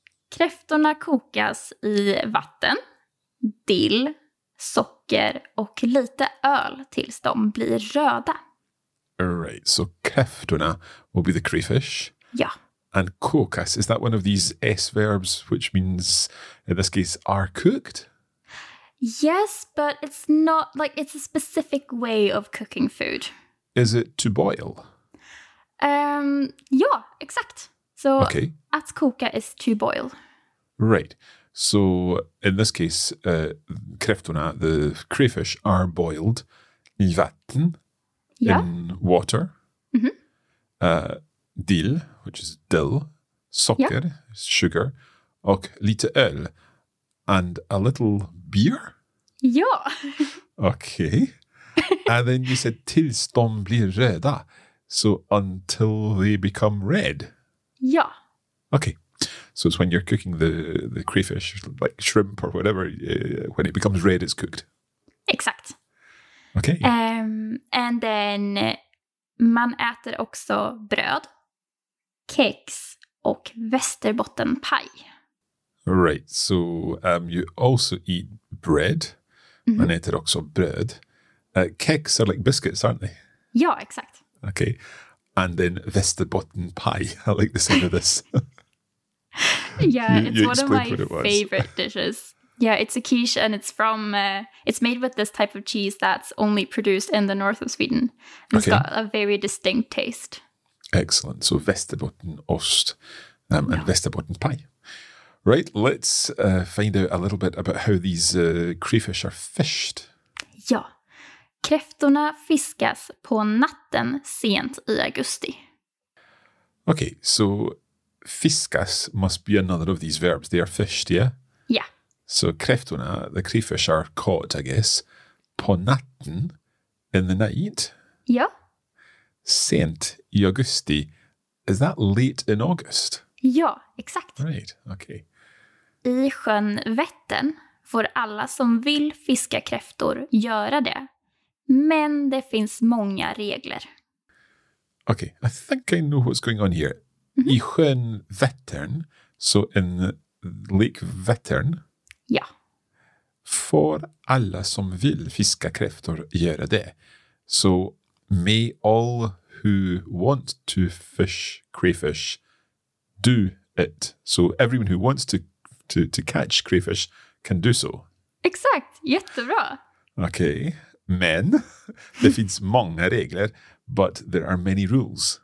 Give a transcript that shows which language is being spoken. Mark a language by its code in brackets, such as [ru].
[sv] Kräftorna kokas i vatten, dill, socker och lite öl tills de blir röda. [en] All right, so kräftorna will be the crayfish. [sv] Ja. [en] And kokas, is that one of these S verbs which means, in this case, are cooked? Yes, but it's not, like, it's a specific way of cooking food. Is it to boil? Yeah, exact. So okay. Att koka is to boil. Right. So in this case, kräftorna, the crayfish, are boiled [sv] i vatten, [en] yeah, in water. Mm-hmm. Dill, which is dill, socker, yeah, sugar, [sv] och lite öl, [en] and a little beer? Yeah. Okay. And then you said [sv] tills de blir röda. [en] So until they become red. Yeah. Okay. So it's when you're cooking the crayfish, like shrimp or whatever, when it becomes red, it's cooked. [sv] Exakt. [en] Okay. And then [sv] man äter också bröd, kex och västerbottenpaj. [en] Right. So you also eat bread. Mm-hmm. [sv] Man äter också bröd. [en] Kex are like biscuits, aren't they? [sv] Ja, exakt. [en] Okay. And then västerbottenpaj. I like the sound of this. Yeah, it's one of my favorite dishes. Yeah, it's a quiche, and it's from it's made with this type of cheese that's only produced in the north of Sweden. It's okay. Got a very distinct taste. Excellent. So Västerbottenost and Västerbotten pie. Right, let's find out a little bit about how these crayfish are fished. [sv] Ja, kräftorna fiskas på natten sent i augusti. [en] Okay, so fiskas must be another of these verbs. They are fished, yeah? Yeah. So kräftorna, the crayfish, are caught, I guess, [sv] på natten, [en] in the night. Yeah. [sv] Sent i augusti. [en] Is that late in August? Yeah, exakt. Right, okay. [sv] I sjön Vättern får alla som vill fiska kräftor göra det. Men det finns många regler. [en] Okay, I think I know what's going on here. Mm-hmm. [sv] I sjön Vättern, [en] so in Lake Vättern. [sv] Ja. Får alla som vill fiska kräftor göra det. [en] So may all who want to fish crayfish do it. So everyone who wants to catch crayfish can do so. [sv] Exakt, jättebra. [en] Okay, [sv] men det finns många regler, [en] but there are many rules.